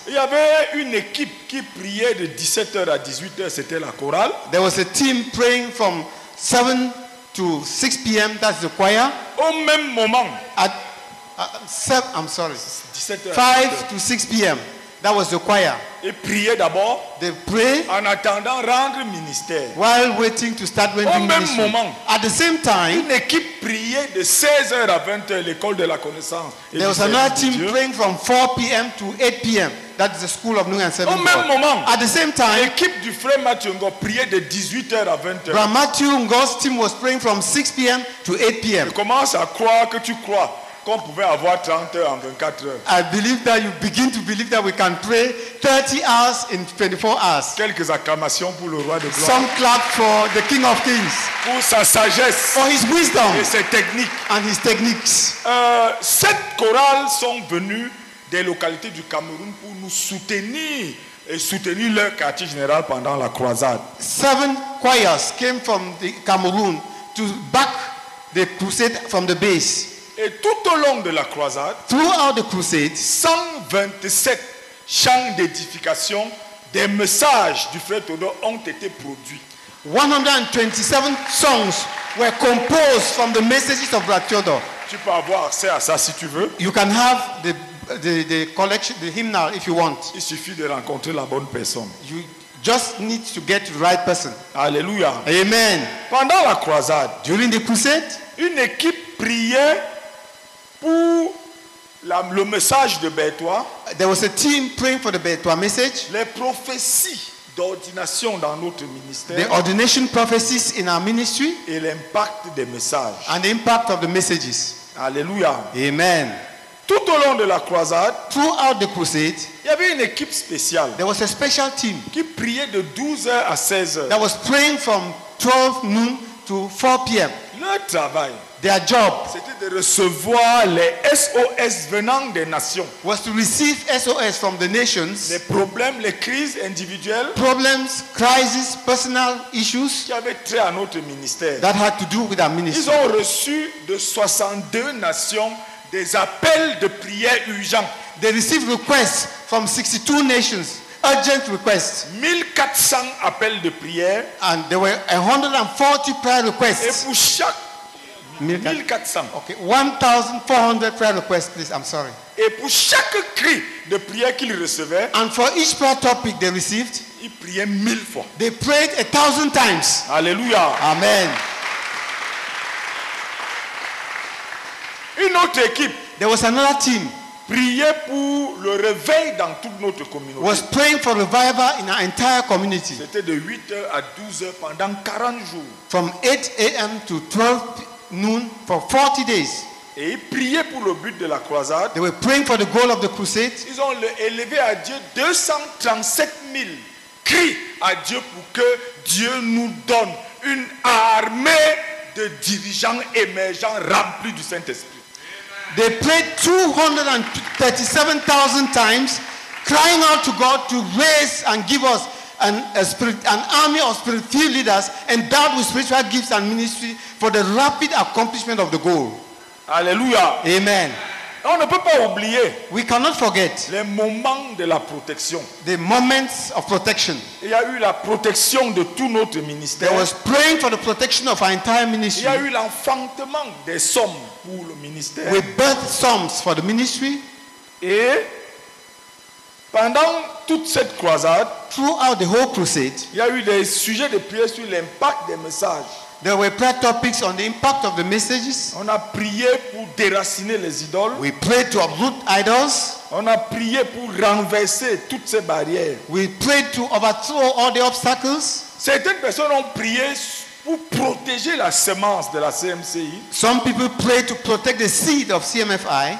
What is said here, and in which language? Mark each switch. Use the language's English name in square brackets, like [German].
[French] il y avait une équipe qui priait de 17h à 18h, c'était la chorale. [English] There was a team praying from 7 to 6 p.m., that's the choir. [French] Au même moment. [English] At 5 to 6 p.m. That was the choir. [French] Et prier d'abord. [English] They pray. [French] En attendant rendre ministère. [English] While waiting to start rendering ministry. [French] Au même moment. [English] At the same time. [French] Une équipe priait de 16h à 20h, l'école de la connaissance. [English] There was another team praying from 4 p.m. to 8 p.m. That is the school of New and Seven. [French] Au même moment. [English] At the same time. [French] L'équipe du frère Mathieu Ngo priait de 18h à 20h. [English] Frère Mathieu Ngo's team was praying from 6 p.m. to 8 p.m. [French] Je commence à croire que tu crois. Qu'on pouvait avoir 30 heures en 24 heures. [English] I believe that you begin to believe that we can pray 30 hours in 24 hours. [French] Quelques acclamations pour le roi de gloire. [English] Some clap for the King of Kings. [French] Pour sa sagesse. [English] For his wisdom. [French] Et ses techniques. [English] And his techniques. [French] Sept chorales sont venues des localités du Cameroun pour nous soutenir et soutenir leur quartier général pendant la croisade. [English] Seven choirs came from the Cameroon to back the crusade from the base. [French] Et tout au long de la croisade, [English] throughout the crusade, [French] 127 chants d'édification, des messages du frère Todo ont été produits. [English] 127 songs were composed from the messages of Brother Theodore. [French] Tu peux avoir accès à ça si tu veux. [English] You can have the collection, the hymnal, if you want. [French] Il suffit de rencontrer la bonne personne. [English] You just need to get the right person. [French] Alléluia. [English] Amen. [French] Pendant la croisade, [English] during the crusade, [French] une équipe priait pour le message de Bertois. [English] There was a team praying for the Bertois message. [French] Les prophéties d'ordination dans notre ministère. [English] The ordination prophecies in our ministry. [French] Et l'impact des messages. [English] And the impact of the messages. [French] Alléluia. [English] Amen. [French] Tout au long de la croisade, [English] throughout the crusade, [French] il y avait une équipe spéciale. [English] There was a special team [French] qui priait de 12h à 16h. [English] That was praying from 12 noon to 4 p.m. [French] Leur travail, [English] their job, [French] c'était de recevoir les SOS venant des nations. [English] Was to receive SOS from the nations. [French] Les problèmes, les crises individuelles. [English] Problems, crises, personal issues. [French] Qui avaient trait à notre ministère. [English] That had to do with our ministry. [French] Ils ont reçu de 62 nations des appels de prière urgents. [English] They received requests from 62 nations. Urgent requests. [French] 1400 appels de prière. [English] And there were 140 prayer requests. [French] Et pour chaque 1400. [English] Okay, 1,400 prayer requests, please. I'm sorry. [French] Et pour chaque cri de prière qu'ils recevaient, [English] and for each prayer topic they received, [French] ils priaient 1,000 fois. [English] They prayed 1,000 times. [French] Alléluia. [English] Amen. [French] Une autre équipe, [English] there was another team, [French] priait pour le réveil dans toute notre communauté. [English] Was praying for revival in our entire community. [French] C'était de 8h à 12h pendant 40 jours. [English] From 8 a.m. to 12 p.m. noon for 40 days. [French] Et ils priaient pour le but de la croisade. [English] They were praying for the goal of the crusade. [French] Ils ont élevé à Dieu 237 000 cris à Dieu pour que Dieu nous donne une armée de dirigeants émergents remplis du Saint-Esprit. [English] They prayed 237,000 times, crying out to God to raise and give us an army of spiritual leaders endowed with spiritual gifts and ministry for the rapid accomplishment of the goal. [French] Alléluia. [English] Amen. [French] On ne peut pas oublier. [English] We cannot forget. [French] Les moments de la protection. [English] The moments of protection. [French] Il y a eu la protection de tout notre ministère. [English] There was praying for the protection of our entire ministry. [French] Il y a eu l'enfantement des sommes pour le ministère. [English] We birth sums for the ministry. [French] Et pendant toute cette croisade, [English] throughout the whole crusade, [French] il y a eu des sujets de prière sur l'impact des messages. [English] There were prayer topics on the impact of the messages. [French] On a prié pour déraciner les idoles. [English] We prayed to uproot idols. [French] On a prié pour renverser toutes ces barrières. [English] We prayed to overthrow all the obstacles. [French] Certaines personnes ont prié pour protéger la semence de la CMCI. [English] Some people pray to protect the seed of CMFI.